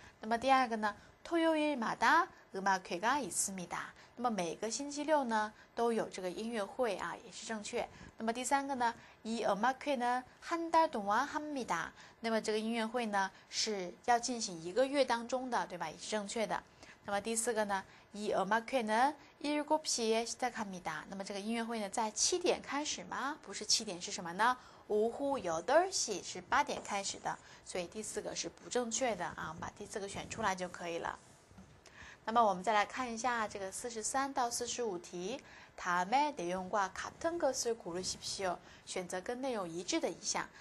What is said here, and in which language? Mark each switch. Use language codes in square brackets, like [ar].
[zh] 那么第二个呢， [ko] 토요일마다 음악회가 있습니다。 [zh] 那么每个星期六呢都有这个音乐会啊，也是正确。那么第三个呢， [ko] 이 음악회 呢한달동안합니다。 [zh] 那么这个音乐会呢是要进行一个月当中的，对吧？也是正确的。那么第四个呢， [ko] 이 음악회 呢7시에 시작합니다。 [zh] 那么这个音乐会呢在7点开始吗？不是7点，是什么呢？ [ko] 오후 8시 [zh] 是8点开始的。 所以第四个是不正确的啊，把第四个选出来就可以了。那么我们再来看一下这个43到45题， [ko] 다음에내용과같은것을고르십시오， [zh] 选择跟内容一致的一项。